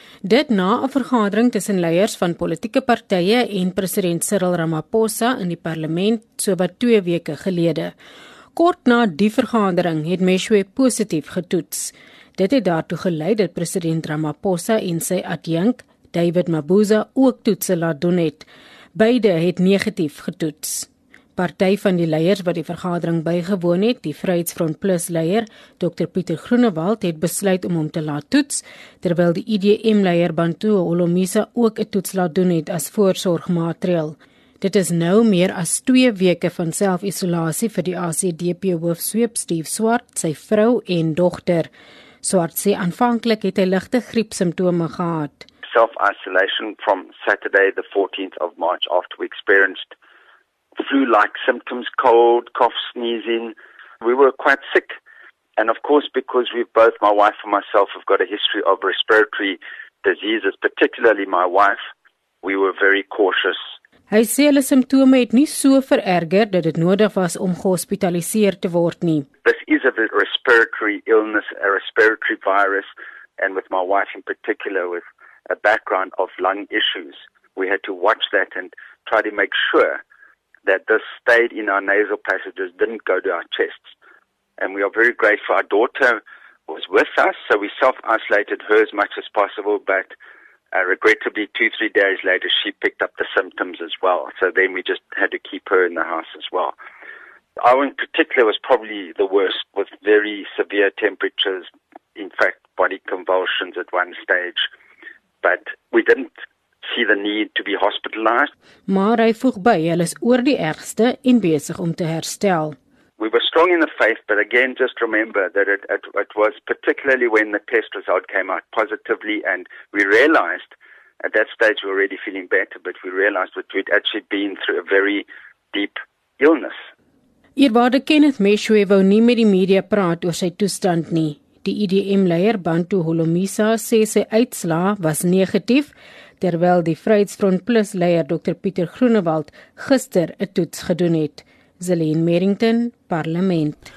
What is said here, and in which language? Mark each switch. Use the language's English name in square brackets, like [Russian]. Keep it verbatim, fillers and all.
[Afrikaans] Dit na 'n vergadering tussen leiers van politieke partye en president Cyril Ramaphosa in die parlement sowat twee weke gelede. Kort na die vergadering het Meshwe positief getoets. Dit het daartoe gelei dat president Ramaphosa en sy adjunk David Mabuza ook toetse laat doen het. Beide het negatief getoets. Party van die leiers wat die vergadering bygewoon het, die Vryheidsfront Plus leier, Dr Pieter Groenewald, het besluit om hom te laat toets, terwyl die I D M leier Bantu Holomisa ook 'n toets laat doen het as voorsorgmaatreël. Dit is nou meer as twee weke van selfisolasie vir die A C D P-hoofsweep Steve Swart, sy vrou en dogter. Swart sê aanvanklik het hy ligte griepsimptome gehad. [English] Self-isolation from Saturday the fourteenth of March after we experienced flu-like symptoms, cold, cough, sneezing. We were quite sick. And of course, because we've both, my wife and myself, have got a history of respiratory diseases, particularly my wife, we were very cautious. [Afrikaans] Hy sê hulle simptome het nie so vererger dat dit nodig was om gehospitaliseer te word nie. [English] This is a respiratory illness, a respiratory virus, and with my wife in particular, with a background of lung issues, we had to watch that and try to make sure that this stayed in our nasal passages, didn't go to our chests. And we are very grateful. Our daughter was with us, so we self-isolated her as much as possible, but uh, regrettably two, three days later, she picked up the symptoms as well. So then we just had to keep her in the house as well. Our in particular was probably the worst, with very severe temperatures, in fact, body convulsions at one stage, but we didn't see the need to be hospitalized. [Afrikaans] Maar hy voeg by, hulle is oor die ergste en besig om te herstel. [English] We were strong in the faith, but again, just remember that it, it, it was particularly when the test result came out positively, and we realized at that stage we were already feeling better, but we realized that we'd actually been through a very deep illness. [Afrikaans] Eerwaarde Kenneth Meshwe wou nie met die media praat oor sy toestand nie. Die I D M-leier Bantu Holomisa sê sy uitslaa was negatief, terwyl die Vryheidsfront Plus leier Dr Pieter Groenewald gister 'n toets gedoen het. Zelene Merrington, Parlement.